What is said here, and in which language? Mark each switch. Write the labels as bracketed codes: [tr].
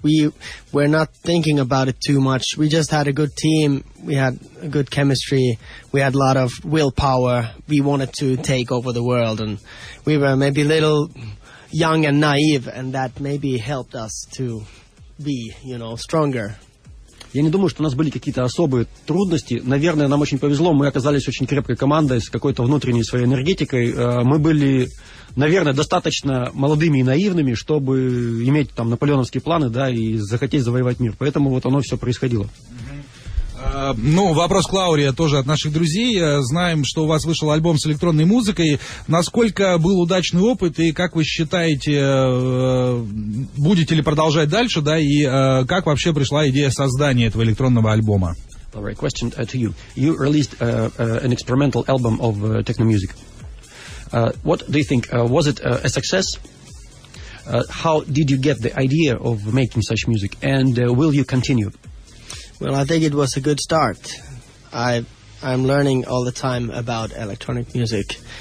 [en] We were not thinking about it too much. We just had a good team. We had a good chemistry. We had a lot of willpower. We wanted to take over the world. And we were maybe a little... young and naive, and that maybe helped us to be, you know, stronger. [ru] Я не думаю, что у нас были какие-то особые трудности. Наверное, нам очень повезло. Мы оказались очень крепкой командой с какой-то внутренней своей энергетикой. Мы были, наверное, достаточно молодыми и наивными, чтобы иметь там наполеоновские планы, да, и захотеть завоевать мир. Поэтому вот оно все происходило. Ну, вопрос к Лаурии тоже от наших друзей. Знаем, что у вас вышел альбом с электронной музыкой. Насколько был удачный опыт, и как вы считаете, будете ли продолжать дальше, да, и как вообще пришла идея создания этого электронного альбома? [en] Лаурия, question to you. You released an experimental album of techno music. What do you think? Was it a success? How did you get the idea of making such music? And will you continue? Well, I think it was a good start. I'm learning all the time about electronic music.